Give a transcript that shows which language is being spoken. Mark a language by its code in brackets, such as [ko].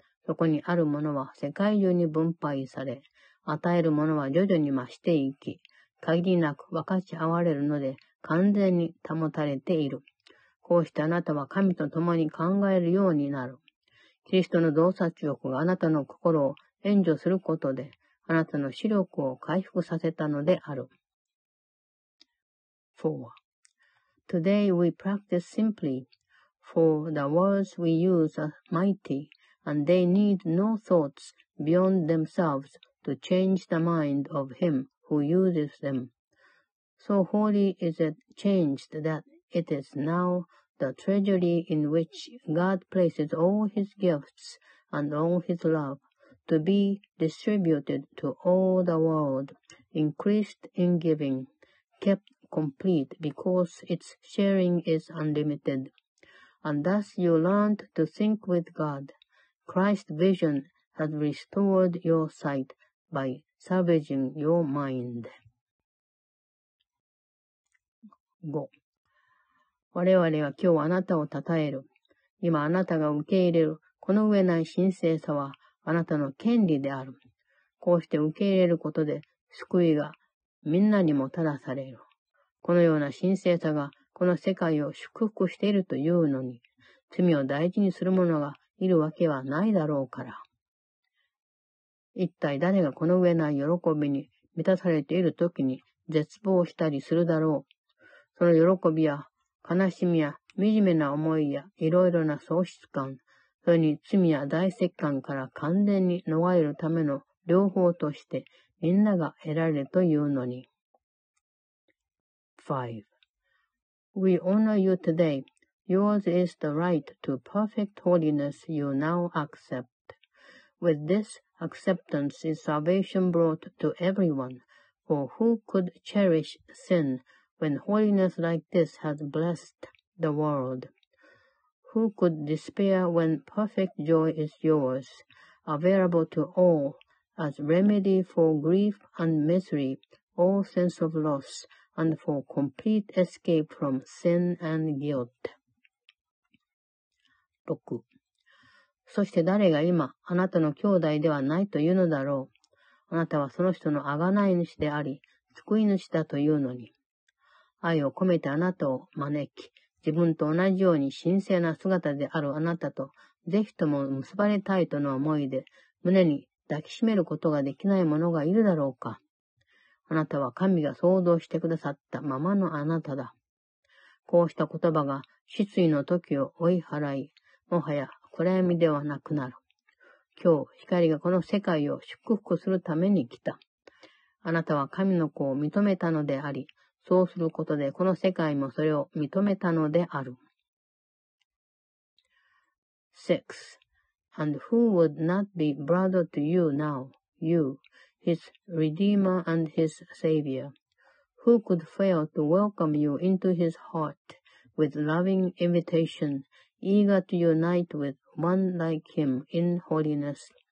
[ja] そこにあるものは世界中に分配され、与えるものは徐々に増していき、限りなく分かち合われるので完全に保たれている。こうしてあなたは神と共に考えるようになる。キリストの洞察力があなたの心を援助することで、あなたの視力を回復させたのである。 [en] 4.Today we practice simply, for the words we use are mighty. And they need no thoughts beyond themselves to change the mind of him who uses them. So holy is it changed that it is now the treasury in which God places all his gifts and all his love to be distributed to all the world, increased in giving, kept complete because its sharing is unlimited. And thus you learned to think with God. Christ's vision has restored your sight by salvaging your mind. 5. [ja] 我々は今日あなたを称える。今あなたが受け入れるこの上ない神聖さはあなたの権利である。こうして受け入れることで救いがみんなにもたらされる。このような神聖さがこの世界を祝福しているというのに、罪を大事にする者がいるわけはないだろうから。一体誰がこの上ない喜びに満たされているときに絶望したりするだろう。その喜びや悲しみや惨めな思いやいろいろな喪失感、それに罪や大責感から完全に逃れるための両方としてみんなが得られるというのに。 [en] 5. We honor you today. Yours is the right to perfect holiness you now accept. With this acceptance is salvation brought to everyone, for who could cherish sin? When holiness like this has blessed the world, who could despair when perfect joy is yours, available to all as remedy for grief and misery, all sense of loss, and for complete escape from sin and guilt? 6. [ja] そして誰が今あなたの兄弟ではないというのだろう。あなたはその人の贖い主であり、救い主だというのに。愛を込めてあなたを招き、自分と同じように神聖な姿であるあなたと、ぜひとも結ばれたいとの思いで、胸に抱きしめることができない者がいるだろうか。あなたは神が創造してくださったままのあなただ。こうした言葉が失意の時を追い払い、もはや暗闇ではなくなる。今日、光がこの世界を祝福するために来た。あなたは神の子を認めたのであり、そうすることでこの世界もそれを認めたのである。 6. [en] And who would not be brother to you now, you, his redeemer and his savior? Who could fail to welcome you into his heart with loving invitation, eager to unite with one like him in holiness?